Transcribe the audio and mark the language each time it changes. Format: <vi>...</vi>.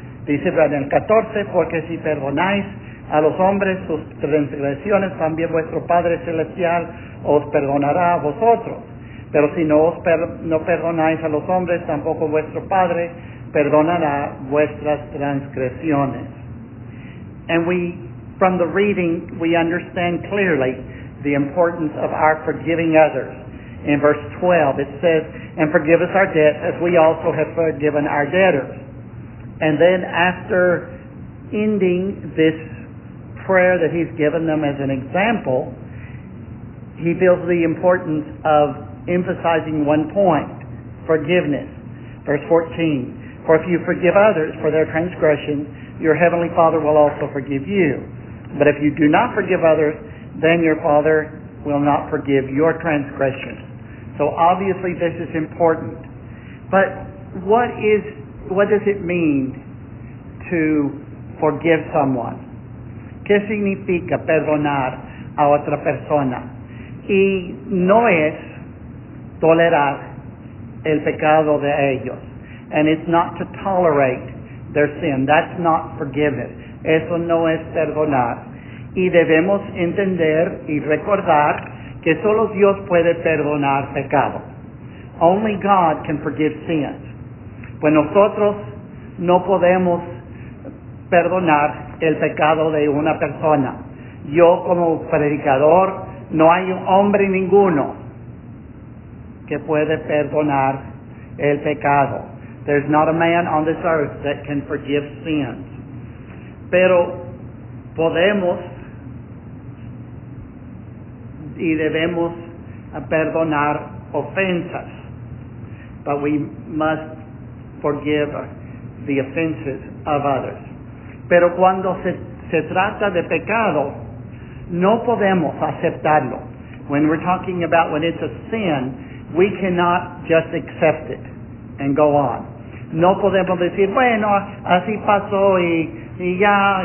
<es>Dice en el 14, porque si perdonáis a los hombres sus transgresiones, también vuestro Padre Celestial os perdonará a vosotros. Pero si no perdonáis a los hombres, tampoco vuestro Padre perdonará vuestras transgresiones.</es> <en>And we, from the reading, we understand clearly the importance of our forgiving others. In verse 12, it says, and forgive us our debts as we also have forgiven our debtors. And then after ending this prayer that he's given them as an example, he feels the importance of emphasizing one point, forgiveness. Verse 14, for if you forgive others for their transgressions, your heavenly Father will also forgive you. But if you do not forgive others, then your Father will not forgive your transgressions. So obviously this is important. But what does it mean to forgive someone?</en> <es>¿Qué significa perdonar a otra persona? Y no es tolerar el pecado de ellos.</es> <en>And it's not to tolerate their sin. That's not forgiveness.</en> <es>Eso no es perdonar. Y debemos entender y recordar que solo Dios puede perdonar pecado.</es> <en>Only God can forgive sins.</en> <es>Pues nosotros no podemos perdonar el pecado de una persona. Yo como predicador, no hay hombre ninguno que puede perdonar el pecado.</es> <en>There's not a man on this earth that can forgive sins.</en> <es>Pero podemos y debemos perdonar ofensas,</es> <en>but we must forgive the offenses of others.</en> <es>Pero cuando se trata de pecado, no podemos aceptarlo.</es> <en>When we're talking about when it's a sin, we cannot just accept it and go on.</en> <es>No podemos decir, bueno, así pasó y ya.</es>